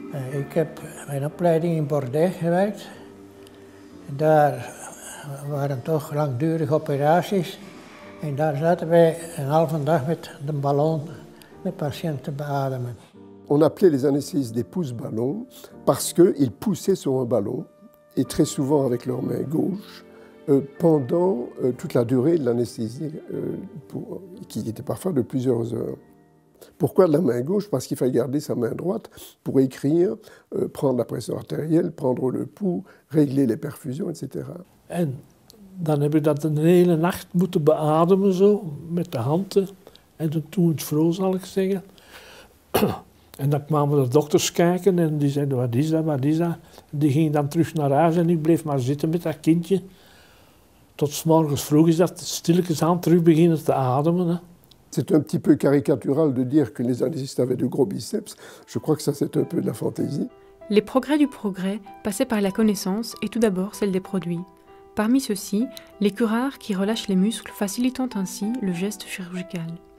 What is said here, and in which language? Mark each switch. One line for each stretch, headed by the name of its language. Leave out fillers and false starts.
Dutch: Ik heb mijn opleiding in Bordeaux gewerkt. Daar waren toch langdurige operaties. En daar zaten wij een halve dag met de ballon de patiënten beademen.
French: On appelait les anesthésistes des pousse-ballons parce qu'ils poussaient sur un ballon et très souvent avec leur main gauche. Pendant toute la durée de l'anesthésie, qui était parfois de plusieurs heures. Pourquoi de la main gauche? Parce qu'il fallait garder sa main droite pour écrire, prendre la pression artérielle, prendre le pouls, régler les perfusions, etc.
Dutch: En dan heb ik dat een hele nacht moeten beademen zo met de handen en toen het vroeg zal ik zeggen. En dan kwamen de dokters kijken en die zeiden wat is dat, wat is dat? Die gingen dan terug naar huis en ik bleef maar zitten met dat kindje. Tot 's morgens vroeg is dat stilletjes aan terug beginnen te ademen.
French: C'est un petit peu caricatural de dire que les anesthésistes avaient de gros biceps. Je crois que ça c'est un peu de la fantaisie. Les progrès du progrès passaient par la connaissance et tout d'abord celle des produits. Parmi ceux-ci, les curares qui relâchent les muscles facilitant ainsi le geste chirurgical.